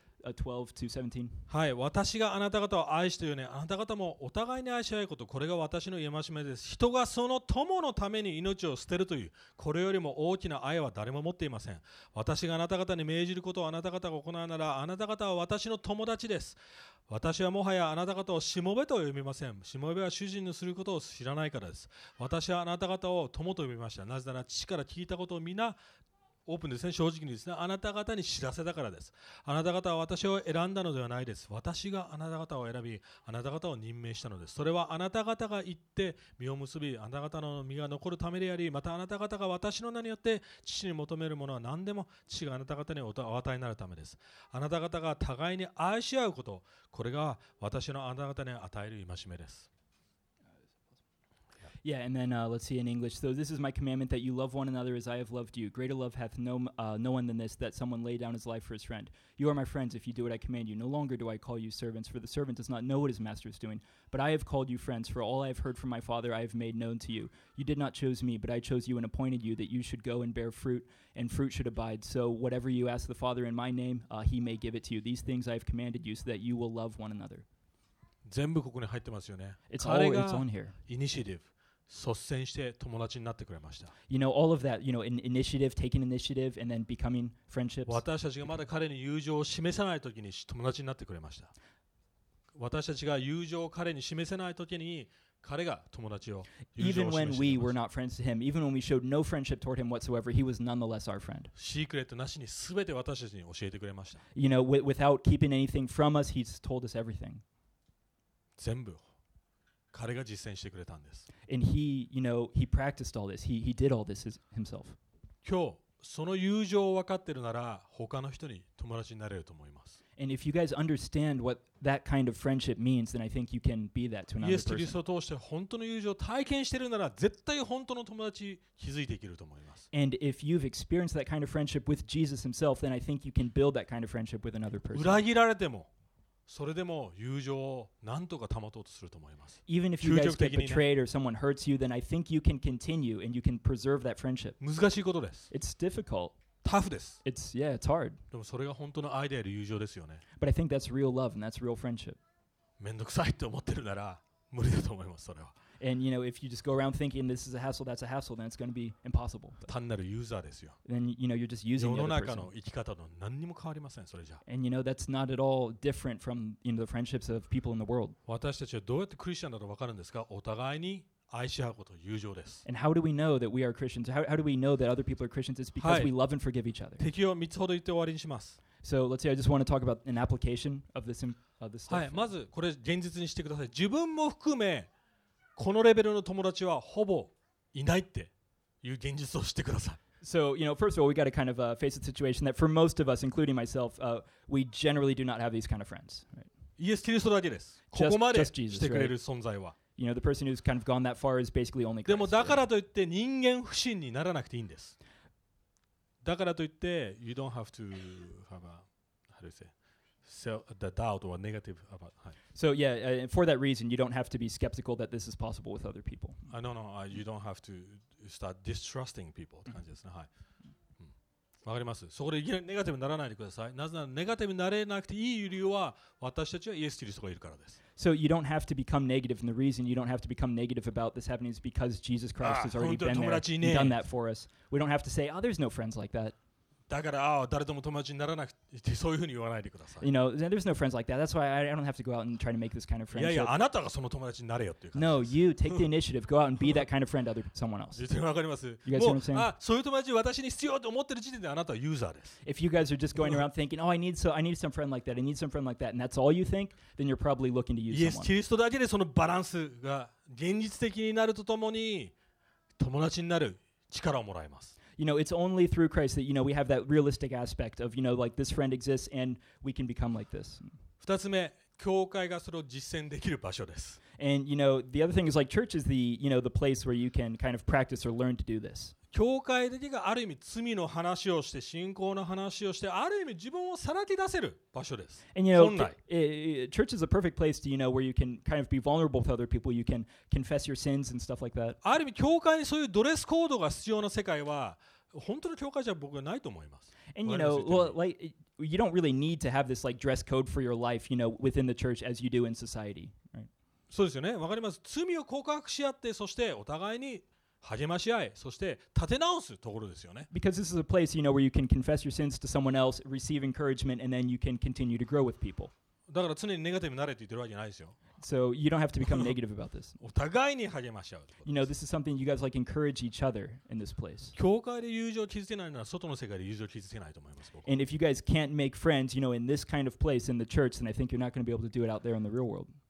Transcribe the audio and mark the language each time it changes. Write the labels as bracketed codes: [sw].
[en] 12 to 17. [ja] はい、私があなた方を愛しているね、あなた方もお互いに愛し合うこと、これが私の戒めです。人がその友のために命を捨てるという、これよりも大きな愛は誰も持っていません。私があなた方に命じることをあなた方が行うなら、あなた方は私の友達です。私はもはやあなた方をしもべと呼びません。しもべは主人のすることを知らないからです。私はあなた方を友と呼びました。なぜなら父から聞いたことを皆オープンですね正直にですねあなた方に知らせたからですあなた方は私を選んだのではないです私があなた方を選びあなた方を任命したのですそれはあなた方が行って実を結びあなた方の実が残るためでありまたあなた方が私の名によって父に求めるものは何でも父があなた方にお与えになるためですあなた方が互いに愛し合うことこれが私のあなた方に与える戒めです [en] Yeah, and then let's see in English. So this is my commandment that you love one another as I have loved you. Greater love hath no one than this, that someone lay down his life for his friend. You are my friends if you do what I command you. No longer do I call you servants, for the servant does not know what his master is doing. But I have called you friends, for all I have heard from my Father I have made known to you. You did not choose me, but I chose you and appointed you that you should go and bear fruit, and fruit should abide. So whatever you ask the Father in my name, he may give it to you. These things I have commanded you so that you will love one another. It's all it's on here. Initiative. [ja] 率先して友達になってくれました。 [en] You know, all of that, you know, in initiative, taking initiative, and then becoming friendships. [ja] 私たちがまだ彼に友情を示せないときに友達になってくれました。私たちが友情を彼に示せないときに彼が友達を。 [en] Even when we were not friends to him, even when we showed no friendship toward him whatsoever, he was nonetheless our friend. [ja] シークレットなしにすべて私たちに教えてくれました。 [en] You know, without keeping anything from us, he's told us everything. [ja] 全部。彼が実践してくれたんです。 [en] And he, you know, he practiced all this. He did all this himself. [ja] 今日、その友情を分かってるなら、他の人に友達になれると思います。 [en] And if you guys understand what that kind of friendship means, then I think you can be that to another person. [ja] イエス・キリストを通して本当の友情を体験してるなら、絶対本当の友達気づいていけると思います。 [en] And if you've experienced that kind of friendship with Jesus himself, then I think you can build that kind of friendship with another person. [ja] 裏切られても、それでも友情を何とか保とうとすると思います。 [en] Even if you guys get betrayed or someone hurts you, then I think you can continue and you can preserve that friendship. [ja] 難しいことです。 [en] It's difficult. [ja] Tough です。 [en] It's hard. [ja] でもそれが本当の愛である友情ですよね。 [en] But I think that's real love and that's real friendship. [ja] めんどくさいって思ってるなら無理だと思います、それは。 [en] And you know, if you just go around thinking this is a hassle, that's a hassle, then it's going to be impossible. [ja] 単なるユーザーですよ。 [en] Then you know, you're just using the other person. [ja] 世の中の生き方の何にも変わりません、それじゃ。 [en] And you know, that's not at all different from you know, the friendships of people in the world. [ja] 私たちはどうやってクリスチャンだと分かるんですか?お互いに愛し合うこと、友情です。 [en] And how do we know that we are Christians? How do we know that other people are Christians? It's because we love and forgive each other. [ja] 敵を3つほど言って終わりにします。 [en] So let's see, I just want to talk about an application of this, this stuff. [ja] はい、まずこれ現実にしてください。自分も含め、このレベルの友達はほぼいないっていう現実を知ってください。 [en] So, you know, first of all, we got to kind of face a situation that for most of us, including myself, we generally do not have these kind of friends. [ja] イエス・キリストだけです。ここまでしてくれる存在は。 [en] You know, the person who's kind of gone that far is basically only [ja] Christ. でもだからといって人間不信にならなくていいんです。だからといって、 [en] you don't have to have a, how do you say? The doubt or negative about, so yeah, for that reason, you don't have to be skeptical that this is possible with other people. You don't have to start distrusting people. [ja] って感じですね。はい。わかります。そこでネガティブにならないでください。なぜならネガティブになれなくていい理由は私たちはイエス・キリストがいるからです。 [en] So you don't have to become negative, and the reason you don't have to become negative about this happening is because Jesus Christ has already been there. He's done that for us. We don't have to say, oh, there's no friends like that. [ja] だから、ああ、誰とも友達にならなくて、そういうふうに言わないでください。 [en] You know, there's no friends like that. That's why I don't have to go out and try to make this kind of friendship. [ja] いやいや、あなたがその友達になれよっていう感じ。 [en] No, you take the initiative. Go out and be that kind of friend to someone else. [ja] 言ってわかります。 [en] You guys understand? [ja] もう、あ、そういう友達私に必要と思ってる時点であなたはユーザーです。 [en] If you guys are just going around thinking, oh, I need some friend like that, I need some friend like that, and that's all you think, then you're probably looking to use someone. [ja] イエス・キリストだけでそのバランスが現実的になるとともに、友達になる力をもらいます。 [en] You know, it's only through Christ that, you know, we have that realistic aspect of, you know, like this friend exists and we can become like this. [ja] 2つ目、教会がそれを実践できる場所です。 [en] And, you know, the other thing is like church is the, you know, the place where you can kind of practice or learn to do this. [ja] 教会だけがある意味罪の話をして、信仰の話をして、ある意味自分をさらけ出せる場所です。 [en] And, you know, church is a perfect place to, you know, where you can kind of be vulnerable with other people. You can confess your sins and stuff like that. [ja] ある意味教会にそういうドレスコードが必要な世界は、本当の教会じゃ僕はないと思います。 [en] And you know, you don't really need to have this like dress code for your life, you know, within the church as you do in society. Right? [ja] そうですよね。わかります。罪を告白し合って、そしてお互いに励まし合い、そして立て直すところですよね。 [en] Because this is a place, you know, where you can confess your sins to someone else, receive encouragement, and then you can continue to grow with people. [ja] だから常にネガティブになれって言ってるわけじゃないですよ。 [en] So you don't have to become negative about this. [ja] お互いに励まし合う。 [en] You know, this is something you guys like encourage each other in this place. [ja] 教会で友情を築けないなら外の世界で友情を築けないと思います。 [en] And if you guys can't make friends, you know, in this kind of place, in the church, then I think you're not going to be able to do it out there in the real world.